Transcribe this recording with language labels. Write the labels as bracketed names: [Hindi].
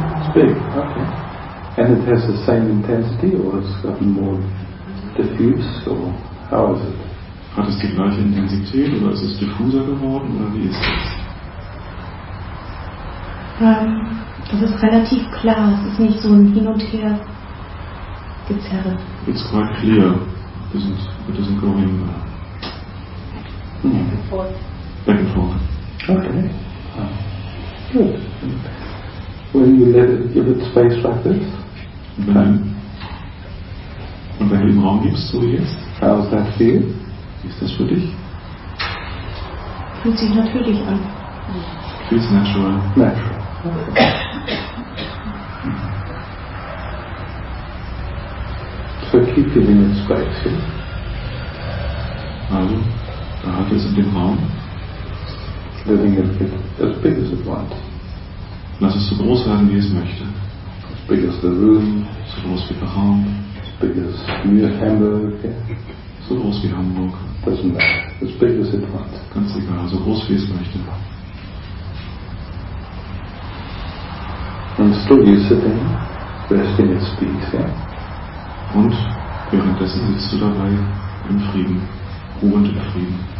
[English] Has the same intensity or it's gotten more diffuse or how is it? [German] Hat es die gleiche Intensität oder ist es diffuser geworden oder wie ist es? Es ist relativ klar, es ist nicht so ein Hin und Her Gezerre. [English] It's quite clear. It isn't going back and forth. Back and forth. Okay. Good. When you let it give it space like this. [German] Und wenn du ihm Raum gibst, so wie jetzt, [English] how's that feel? [German] Wie ist das für dich? Fühlt sich natürlich an. [English] Feels natural. Natural. So keep feeling it's right. Also, the heart is in the room. Living it as big as it wants. [German] Lass es so groß werden, wie es möchte. [English] As big as the room. [German] So groß wie der Raum. [English] As big as near Hamburg. [German] So groß wie Hamburg. [English] Doesn't matter. As big as it wants. [German] Ganz egal, so groß wie es möchte. [English] And still you sitting, resting in peace, yeah? [German] Und währenddessen sitzt du dabei im Frieden, ruhend im Frieden.